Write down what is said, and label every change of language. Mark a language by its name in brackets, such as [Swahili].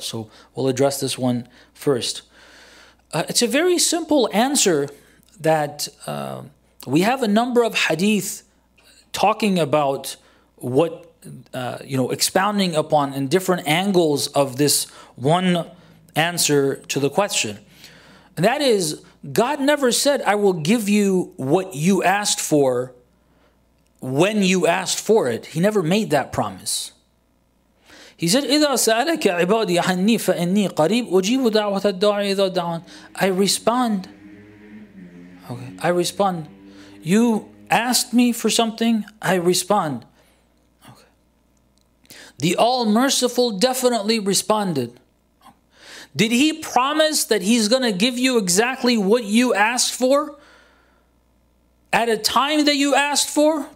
[English] So we'll address this one first. It's a very simple answer that we have a number of hadith talking about what, you know, expounding upon in different angles of this one answer to the question. And that is, God never said, I will give you what you asked for when you asked for it. He never made that promise. He said, [Arabic] إِذَا سَأَلَكَ عِبَادِي عَنِّي فَإِنِّي قَرِيبٌ أُجِيبُ دَعْوَةَ الدَّعَى إِذَا دَعَانِ. [English] I respond. Okay, I respond. You asked me for something, I respond. Okay. The All-Merciful definitely responded. Did He promise that He's going to give you exactly what you asked for at a time that you asked for?